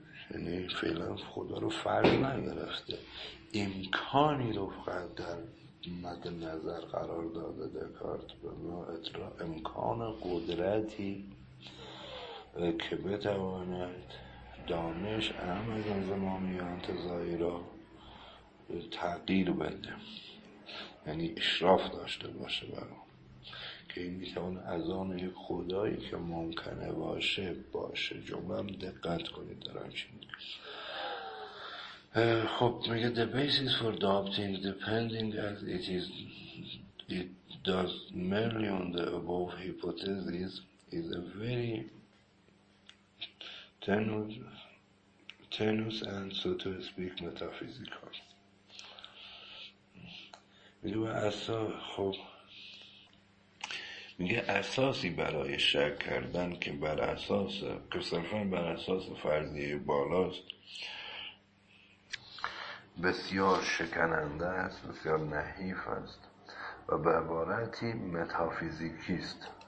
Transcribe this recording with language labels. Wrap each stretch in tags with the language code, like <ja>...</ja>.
<fa>یعنی فعلا خدا رو فرض نگرفته، امکانی رو فقط در مد نظر قرار داده دکارت، به ما امکان قدرتی که بتواند دانش اهم از زمانی انتظایی را تغییر بده، یعنی اشراف داشته باشه برام، که این میتونه از آن یک خدایی که ممکنه باشه باشه. جمعه هم دقت کنید دارم چی میگه.</fa> <en>خب میگه the basis for doubting depending as it is it does merely on the above hypothesis is a very tenuous and so to speak metaphysical.</en> <fa>میگه خب میگه اساسی برای شک کردن که بر اساس که صرفا بر اساس فرضیه بالاست بسیار شکننده است، بسیار نحیف است و به عبارتی متافیزیکی است.</fa>